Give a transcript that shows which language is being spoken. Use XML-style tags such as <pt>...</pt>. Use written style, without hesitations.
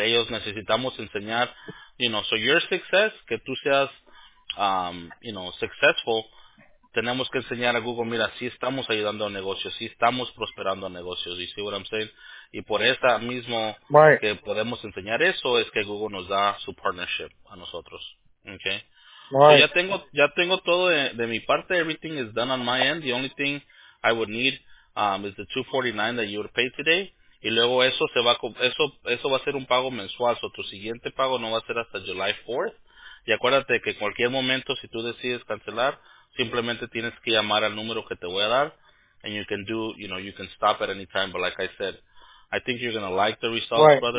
<es>Ellos necesitamos enseñar,</es> <en>you know, so your success,</en> <es>que tú seas,</es> <en>you know, successful,</en> <es>tenemos que enseñar a Google, mira, sí estamos ayudando a negocios, sí estamos prosperando a negocios,</es> <en>you see what I'm saying?</en> <es>Y por esa mismo que podemos enseñar eso es que Google nos da su partnership a nosotros.</es> <en>Okay. Right.</en> <es>Ya tengo todo de mi parte.</es> <en>Everything is done on my end. The only thing I would need is the $249 that you would pay today.</en> <es>Y luego eso va a ser un pago mensual. So tu siguiente pago no va a ser hasta July 4th. Y acuérdate que en cualquier momento si tú decides cancelar, simplemente tienes que llamar al número que te voy a dar</es> <en>and you can do, you know, you can stop at any time. But like I said, I think you're gonna like the results, right, brother.</en>